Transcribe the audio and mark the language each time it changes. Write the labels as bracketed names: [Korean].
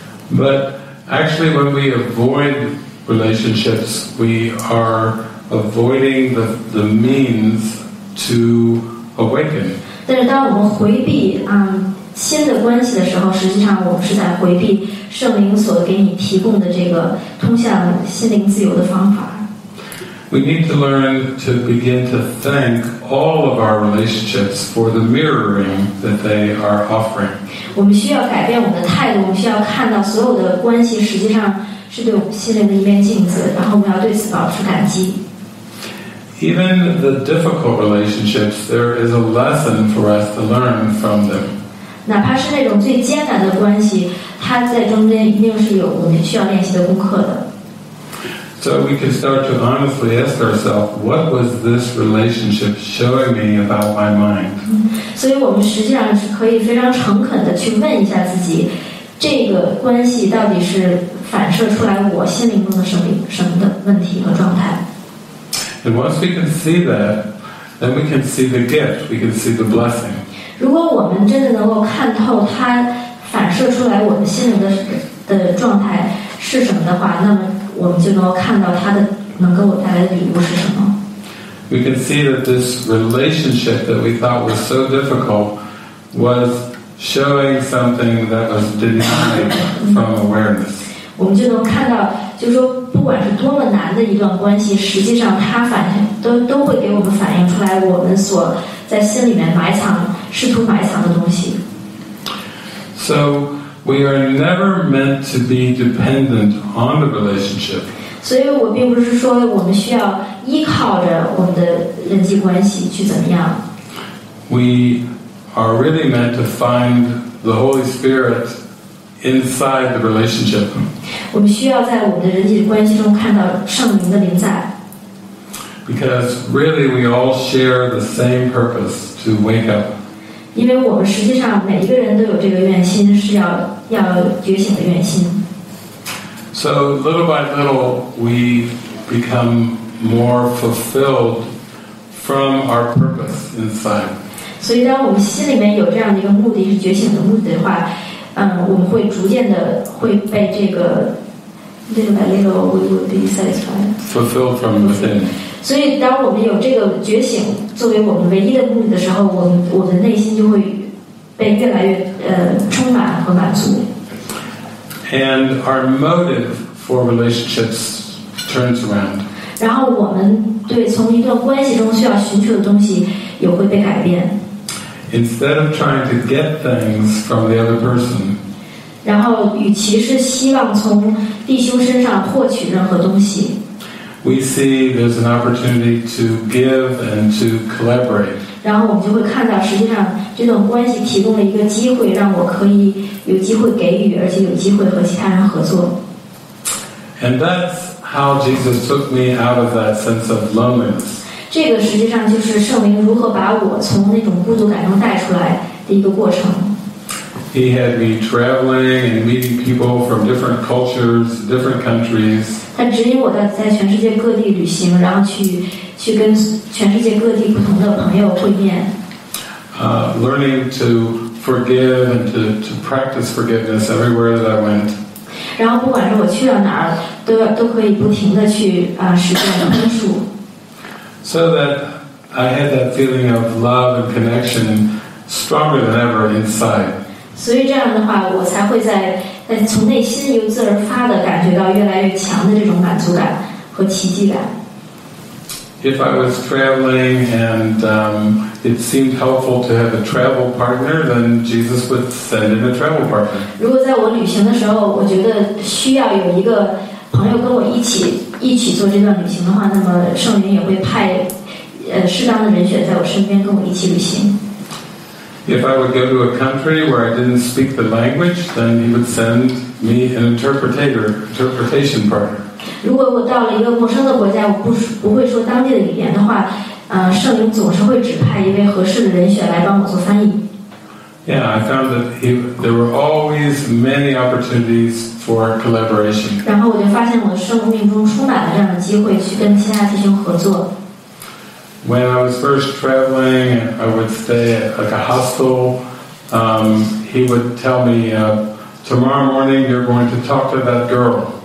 [English] But actually, when we avoid relationships, we are avoiding the means to awaken. [Chinese] 但是当我们回避新的关系的时候，实际上我们是在回避圣灵所给你提供的这个通向心灵自由的方法。 [English] We need to learn to begin to thank all of our relationships for the mirroring that they are offering. [Chinese] 我们需要改变我们的态度，我们需要看到所有的关系实际上是对我们心灵的一面镜子，然后我们要对此保持感激。 [English] Even the difficult relationships, there is a lesson for us to learn from them. [Chinese] 哪怕是那种最艰难的关系，它在中间一定是有我们需要练习的功课的。 [English] So we can start to honestly ask ourselves, what was this relationship showing me about my mind? [Chinese] 所以我们实际上是可以非常诚恳地去问一下自己，这个关系到底是反射出来我心灵中的什么的问题和状态。 [English] And once we can see that, then we can see the gift, we can see the blessing. [Chinese] 如果我们真的能够看透它反射出来我们心灵的状态是什么的话，那么我们就能够看到它的能给我带来的礼物是什么。 [English] We can see that this relationship that we thought was so difficult was showing something that was denied from awareness. [Chinese] 我们就能看到，就是说，不管是多么难的一段关系，实际上它都会给我们反映出来我们所在心里面试图埋藏的东西。 [English] So. We are never meant to be dependent on the relationship. [Chinese] 所以我并不是说我们需要依靠着我们的人际关系去怎么样。 [English] We are really meant to find the Holy Spirit inside the relationship. [Chinese] 我们需要在我们的人际关系中看到圣灵的临在。 [English] Because really we all share the same purpose to wake up. [Chinese] 因为我们实际上每一个人都有这个愿心，是要觉醒的愿心。 [English] So little by little, we become more fulfilled from our purpose inside. [Chinese] 所以，当我们心里面有这样的一个目的，是觉醒的目的的话，我们会逐渐的会被这个 [English] little by little we will be satisfied. Fulfilled from within. [Chinese] 所以当我们有这个觉醒作为我们唯一的目的的时候，我们内心就会被越来越充满和满足。 [English] And our motive for relationships turns around. [Chinese] 然后我们对从一段关系中需要寻求的东西也会被改变。 [English] Instead of trying to get things from the other person. [Chinese] 然后与其是希望从弟兄身上获取任何东西。 [English] we see there's an opportunity to give and to collaborate. [Chinese] 然后我们就会看到，实际上这种关系提供了一个机会，让我可以有机会给予，而且有机会和其他人合作。 [English] And that's how Jesus took me out of that sense of loneliness. [Chinese] 这个实际上就是圣灵如何把我从那种孤独感中带出来的一个过程。 [English] He had me traveling and meeting people from different cultures, different countries. [Chinese] 他指引我在全世界各地旅行，然后去跟全世界各地不同的朋友会面。 [English] Learning to forgive and to practice forgiveness everywhere that I went. [Chinese] 然后不管是我去了哪儿，都可以不停的去实践宽恕。 [English] So that I had that feeling of love and connection stronger than ever inside. [Chinese] 所以这样的话，我才会在从内心由自而发的感觉到越来越强的这种满足感和奇迹感。 [English] If I was traveling and it seemed helpful to have a travel partner, then Jesus would send in a travel partner. [Chinese] 如果在我旅行的时候，我觉得需要有一个朋友跟我一起做这段旅行的话，那么圣灵也会派适当的人选在我身边跟我一起旅行。 [English] If I would go to a country where I didn't speak the language, then he would send me an interpretation partner. [Chinese] 如果我到了一个陌生的国家，我不会说当地的语言的话，圣灵总是会指派一位合适的人选来帮我做翻译。 [English] Yeah, I found that there were always many opportunities for collaboration. [Chinese] 然后我就发现我的生命中充满了这样的机会，去跟其他弟兄合作。 [English] When I was first traveling, I would stay at a hostel. He would tell me, tomorrow morning you're going to talk to that girl.